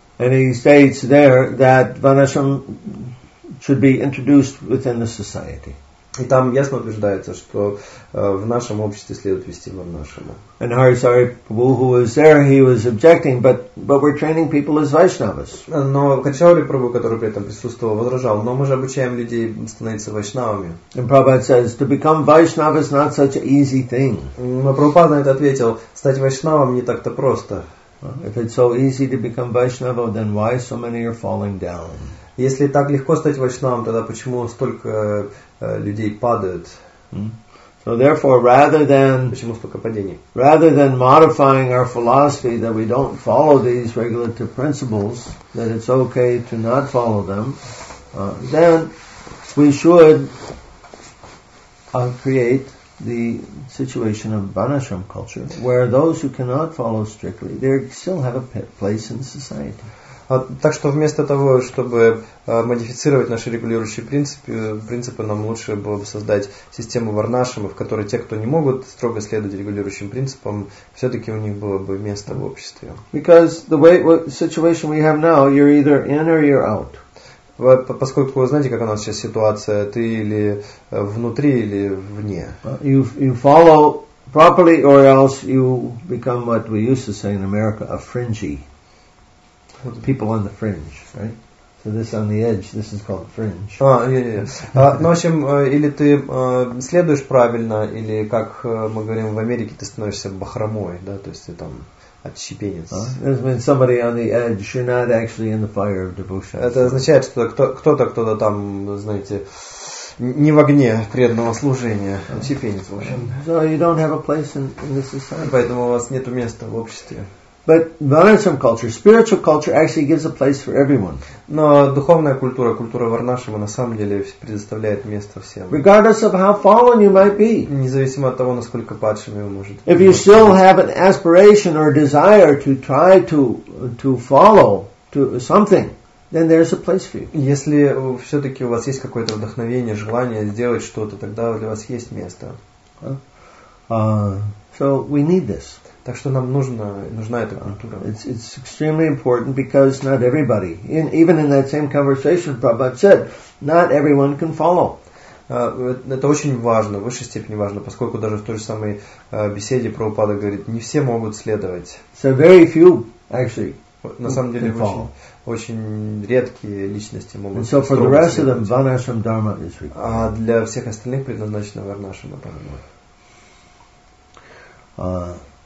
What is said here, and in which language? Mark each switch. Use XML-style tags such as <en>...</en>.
<en>And he states there that Varnashram should be introduced within the society.</en> <ru>И там ясно утверждается, что в нашем обществе следует вести Варнашрама.</ru> <en>And Hari Sari Prabhu, who was there, he was objecting, but we're training people as Vaishnavas.</en> <ru>Но Качаури Прабху, который при этом присутствовал, возражал, но мы же обучаем людей становиться Вайшнавами.</ru> <en>And Prabhupada says, to become Vaishnava is not such an easy thing.</en> <ru>Но Прабхупада на это ответил, стать Вайшнавом не так-то просто.</ru> <en>If it's so easy to become Vaishnava, then why so many are falling down?</en> <ru>Если так легко стать Вайшнавом, тогда почему столько людей падают?</ru> <en>So therefore, rather than,</en> <ru>почему столько падений?</ru> <en>Rather than modifying our philosophy that we don't follow these regulative principles, that it's okay to not follow them, then we should create the situation of Varnashram culture, where those who cannot follow strictly, they still have a place in society.</en> <ru>Так что вместо того, чтобы модифицировать наши регулирующие принципы, нам лучше было бы создать систему варнашрама, в которой те, кто не могут строго следовать регулирующим принципам, все-таки у них было бы место в обществе.</ru> <en>Because the way, situation we have now, you're either in or you're out.</en> <ru>Поскольку, знаете, как у нас сейчас ситуация, ты или внутри, или вне.</ru> <en>You follow properly or else you become what we used to say in America, a fringy. People on the fringe, right? So this on the edge, this is called fringe.</en> <ru>Ну, в общем, или ты следуешь правильно, или, как мы говорим в Америке, ты становишься бахромой, да, то есть ты там отщепенец.</ru> <en>That means somebody on the edge, you're not actually in the fire of devotion.</en> <ru>Это означает, что кто-то там, знаете, не в огне преданного служения, отщепенец, в общем.</ru> <en>So you don't have a place in this society.</en> <ru>Поэтому у вас нет места в обществе.</ru> <en>But Varnashram culture, spiritual culture actually gives a place for everyone.</en> <ru>Но духовная культура, культура Варнашрама, на самом деле предоставляет место всем.</ru> <en>Regardless of how fallen you might be.</en> <ru>Независимо от того, насколько падшими вы можете быть.</ru> <en>If you still have an aspiration or desire to try to follow to something, then there's a place for you.</en> <ru>Если все-таки у вас есть какое-то вдохновение, желание сделать что-то, тогда для вас есть место.</ru> <en>So we need this.</en> <ru>Так что нам нужна эта культура.</ru> <en>It's extremely important because not everybody, even in that same conversation, Prabhupada said, not everyone can follow.</en> <ru>Это очень важно, в высшей степени важно, поскольку даже в той же самой беседе Прабхупада говорит, не все могут следовать.</ru> <en>So very few actually.</en> <ru>На самом деле очень редкие личности могут.</ru> <en>And so for the rest of them, Varnashram Dharma is required.</en> <ru>А для всех остальных предназначено Варнашрама Дхарма.</ru>